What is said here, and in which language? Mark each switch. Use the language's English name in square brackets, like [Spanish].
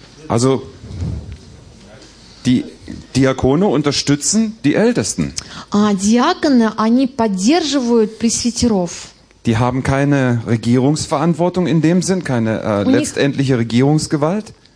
[German] Also die Диаконы unterstützen die Ältesten. [Russian] Диаконы, они поддерживают пресвитеров. [German] Die haben keine Regierungsverantwortung in dem Sinn, keine letztendliche Regierungsgewalt.